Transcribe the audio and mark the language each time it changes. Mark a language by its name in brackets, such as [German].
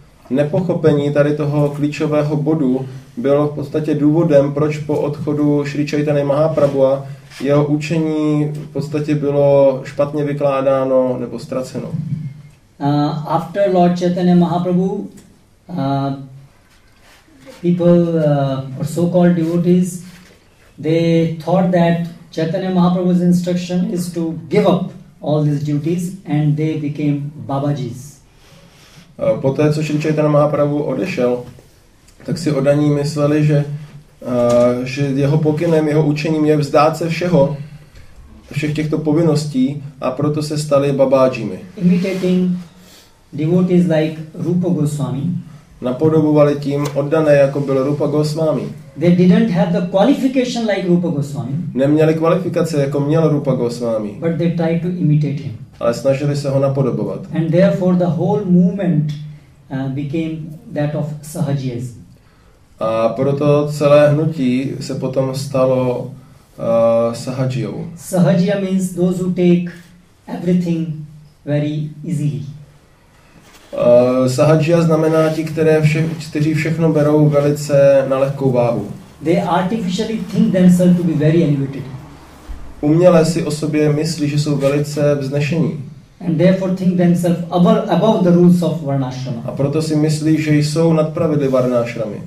[Czech] Nepochopení tady toho klíčového bodu bylo v podstatě důvodem, proč po odchodu Šri Chaitany Mahaprabhua jeho učení v podstatě bylo špatně vykládáno nebo ztraceno. [English] After Lord Chaitanya Mahaprabhu, people or so-called devotees, they thought that Chaitanya Mahaprabhu's instruction is to give up all these duties and they became Babaji's. [Czech] Poté, co Šri Chaitanya Mahaprabhu odešel, tak si oddaní mysleli, že jeho pokynem, jeho učením je vzdát se všeho, všech těchto povinností, a proto se stali babáčími. [English] Imitating devotees like Rupa Goswami. [Czech] Napodobovali tím oddané, jako byl Rupa Goswami. [English] They didn't have the qualification like Rupa Goswami. [Czech] Neměli kvalifikace, jako měl Rupa Goswami. [English] But they tried to imitate him. [Czech] Ale snažili se ho napodobovat. [English] And therefore the whole movement became that of sahajiyas. [Czech] A proto celé hnutí se potom stalo sahajiyou. [English] Sahajiya means those who take everything very easily. [Czech] Sahajiya znamená ti, kteří všechno berou velice na lehkou váhu. [English] They artificially think themselves to be very elevated. [Czech] Uměle si o sobě myslí, že jsou velice vznešení. [English] And therefore think themselves above the rules of varnashrama. [Czech] A proto si myslí, že jsou nad pravidly varnashramy.